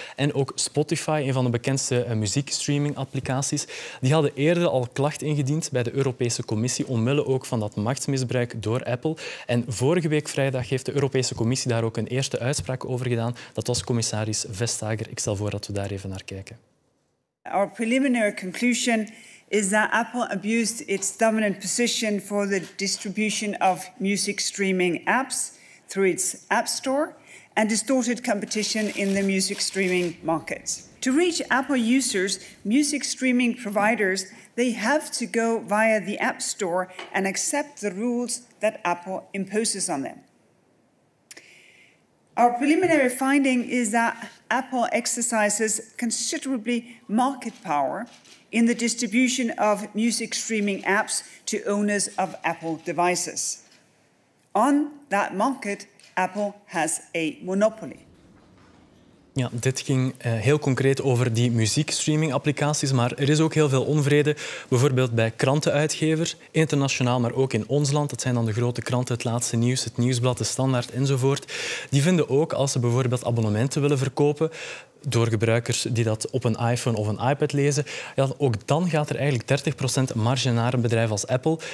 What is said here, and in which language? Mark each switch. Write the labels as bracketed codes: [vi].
[nl] En ook Spotify, een van de bekendste muziekstreamingapplicaties. Die hadden eerder al klacht ingediend bij de Europese Commissie omwille ook van dat machtsmisbruik door Apple. En vorige week vrijdag heeft de Europese Commissie daar ook een eerste uitspraak over gedaan. Dat was commissaris Vestager. Ik stel voor dat we daar even naar kijken. [en] Our preliminary conclusion is that Apple abused its dominant position for the distribution of music streaming apps through its App Store and distorted competition in the music streaming markets. To reach Apple users, music streaming providers, they have to go via the App Store and accept the rules that Apple imposes on them. Our preliminary finding is that Apple exercises considerably market power in the distribution of music streaming apps to owners of Apple devices. On that market, Apple has a monopoly. [nl] Ja, dit ging heel concreet over die muziekstreaming-applicaties, maar er is ook heel veel onvrede, bijvoorbeeld bij krantenuitgevers, internationaal, maar ook in ons land. Dat zijn dan de grote kranten, Het Laatste Nieuws, Het Nieuwsblad, De Standaard enzovoort. Die vinden ook, als ze bijvoorbeeld abonnementen willen verkopen door gebruikers die dat op een iPhone of een iPad lezen, ja, ook dan gaat er eigenlijk 30% marge naar een bedrijf als Apple.